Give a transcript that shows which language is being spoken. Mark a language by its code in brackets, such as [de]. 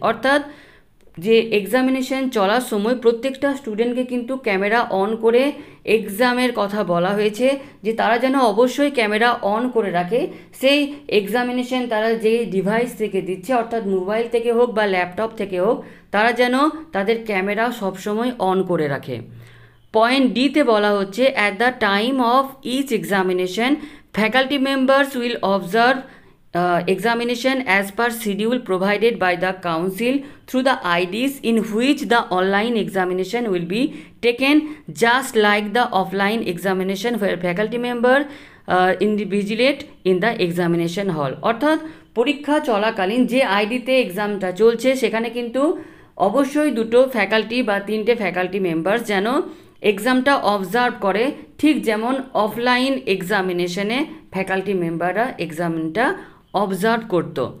[bn] অর্থাৎ যে এক্সামিনেশন চলার সময় প্রত্যেকটা স্টুডেন্টকে কিন্তু ক্যামেরা অন করে এক্সামের কথা বলা হয়েছে, যে তারা যেন অবশ্যই ক্যামেরা অন করে রাখে। সেই এক্সামিনেশন তারা যে ডিভাইস থেকে দিচ্ছে, অর্থাৎ মোবাইল থেকে হোক বা ল্যাপটপ থেকে হোক, তারা যেন তাদের ক্যামেরা সবসময় অন করে রাখে। পয়েন্ট ডিতে বলা হচ্ছে [en] At the time of each examination faculty members will observe examination as per schedule provided by the council through the IDs in which the online examination will be taken just like the offline examination where faculty member invigilate in the examination hall। [bn] অর্থাৎ পরীক্ষা চলাকালীন যে আইডিতে এক্সামটা চলছে সেখানে কিন্তু অবশ্যই 2টো ফ্যাকাল্টি বা 3টে ফ্যাকাল্টি মেম্বার্স যেন এক্সামটা অবজার্ভ করে, ঠিক যেমন অফলাইন এক্সামিনেশনে ফ্যাকাল্টি মেম্বাররা এক্সামটা অবজার্ভ করত।